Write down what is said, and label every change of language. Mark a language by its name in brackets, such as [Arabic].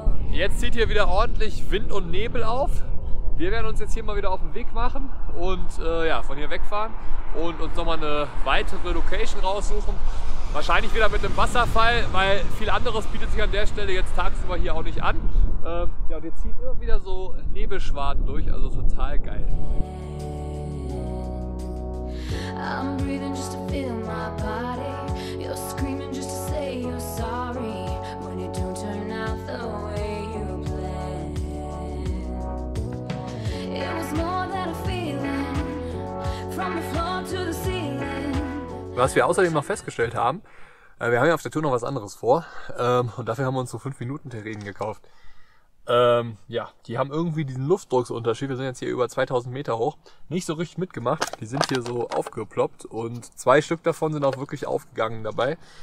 [German] Jetzt zieht hier wieder ordentlich Wind und Nebel auf. Wir werden uns jetzt hier mal wieder auf den Weg machen und von hier wegfahren und uns nochmal eine weitere Location raussuchen. Wahrscheinlich wieder mit einem Wasserfall, weil viel anderes bietet sich an der Stelle jetzt tagsüber hier auch nicht an. Und jetzt zieht immer wieder so Nebelschwaden durch, also total geil. [English] I'm breathing just to feel my body. You're screaming just to say you're sorry. When you don't turn out the way you planned. It was more than a feeling. From the floor to the ceiling. [German] Was wir außerdem noch festgestellt haben, wir haben ja auf der Tour noch was anderes vor. Und dafür haben wir uns so 5-Minuten-Terrinen gekauft. Die haben irgendwie diesen Luftdrucksunterschied. Wir sind jetzt hier über 2000 Meter hoch. Nicht so richtig mitgemacht. Die sind hier so aufgeploppt und zwei Stück davon sind auch wirklich aufgegangen dabei.